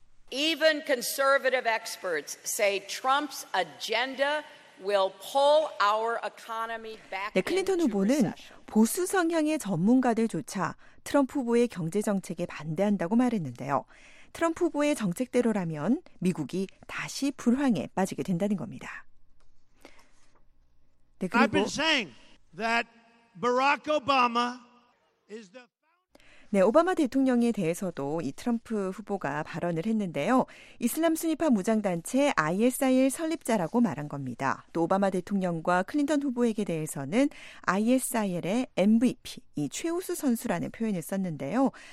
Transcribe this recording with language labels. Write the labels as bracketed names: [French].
[English] Even conservative experts say Trump's agenda will pull our economy back. [Korean] 네, 클린턴 후보는 보수 성향의 전문가들조차 트럼프 후보의 경제 정책에 반대한다고 말했는데요. 트럼프 후보의 정책대로라면 미국이 다시 불황에 빠지게 된다는 겁니다. 네, 그리고 [English] I've been saying that Barack Obama is the [Korean] 네, 오바마 대통령에 대해서도 이 트럼프 후보가 발언을 했는데요. 이슬람 순위파 무장단체 ISIL 설립자라고 말한 겁니다. 또 오바마 대통령과 클린턴 후보에게 대해서는 ISIL의 MVP, 이 최우수 선수라는 표현을 썼는데요.